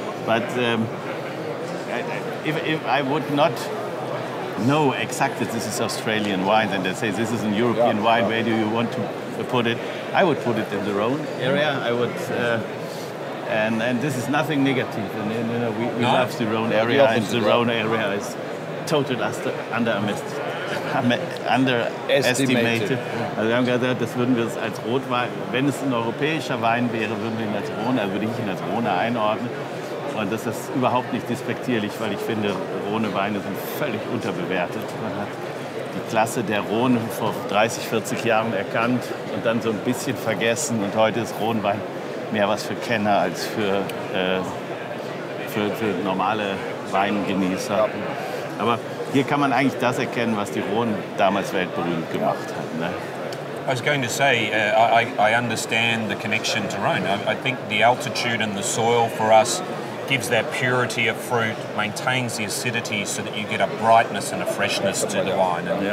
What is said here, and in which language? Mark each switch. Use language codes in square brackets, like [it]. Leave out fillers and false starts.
[en] But if I would not know exactly that this is Australian wine, and they say this is an European wine, where do you want to put it? I would put it in the Rhone area. I would. And this is nothing negative. And, you know, we love the Rhone area, and the Rhone area is totally underestimated. [de] Also, das würden wir als Rotwein, wenn es ein europäischer Wein wäre, würden wir ihn als Rhone, würde ich ihn als Rhone einordnen. Und das ist überhaupt nicht despektierlich, weil ich finde, Rhone-Weine sind völlig unterbewertet. Man hat die Klasse der Rhone vor 30, 40 Jahren erkannt und dann so ein bisschen vergessen. Und heute ist Rhone-Wein mehr was für Kenner als für normale Weingenießer. Ja. Aber hier kann man eigentlich das erkennen, was die Rhone damals weltberühmt gemacht hat. Ne? [en] I was going to say, I understand the connection to Rhone. I think the altitude and the soil for us gives that purity of fruit, maintains the acidity so that you get a brightness and a freshness to the wine.